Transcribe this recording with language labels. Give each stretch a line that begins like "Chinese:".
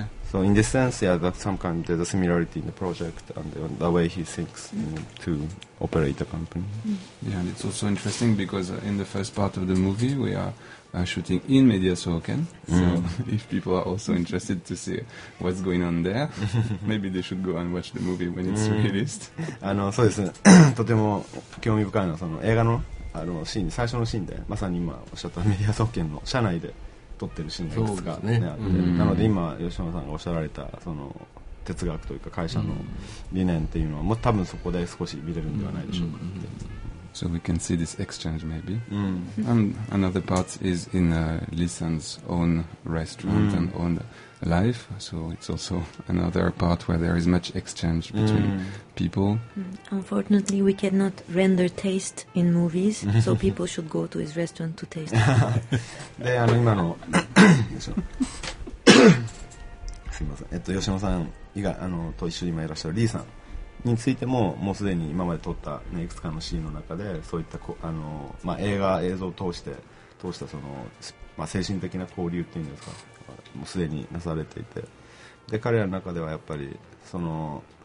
English: So in this sense, yeah, that's some kind of, there's a similarity in the project and the way he thinks to operate the company. Yeah, and it's also interesting because in the first part of the movie, we are shooting in Mediasoken. So if people are also interested to see what's going on there, maybe they should go and watch the movie when it's released.
Japanese: そうですね。とても興味深いのはその映画のあのシーン、最初のシーンでまさに今おっしゃったメディア総研の社内で撮ってるシーンがいくつか、ね、あって、なので今吉野さんがおっしゃられたその哲学というか会社の理念っていうのはもう多分そこで少し見れるんではないでしょうかって。
English: So we can see this exchange maybe. And another part is in Lisan's own restaurant and own life. So it's also another part where there is much exchange between people. Unfortunately, we cannot render taste in movies, so people should go to his restaurant to taste.
Japanese: で、あの今の、すみません。吉野さん以外、あのと一緒に今いらっしゃるリーさんについてももうすでに今まで撮った、ね、いくつかのシーンの中でそういったあの、まあ、映画映像を通したその、まあ、精神的な交流っていうんですかもうすでになされていてで彼らの中ではやっぱりその